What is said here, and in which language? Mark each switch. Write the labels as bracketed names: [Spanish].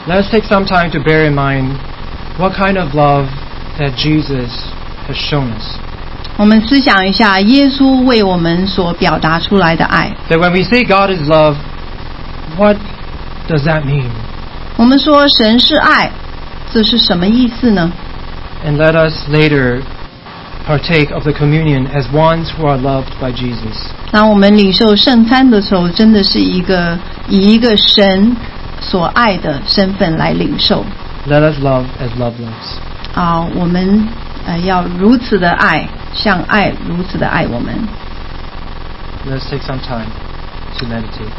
[English] Let's take some time to bear in mind what kind of love that Jesus has shown us. [Chinese] 我们思想一下耶稣为我们所表达出来的爱。 [English] That when we say God is love, what does that mean? [Chinese] 我们说神是爱，这是什么意思呢？ [English] And let us later partake of the communion as ones who are loved by Jesus. [Chinese] 那我们领受圣餐的时候，真的是一个以一个神所爱的身份来领受。 [English] Let us love as love loves. [Chinese] 我们要如此的爱，像爱如此的爱我们。 [English] Let's take some time to meditate.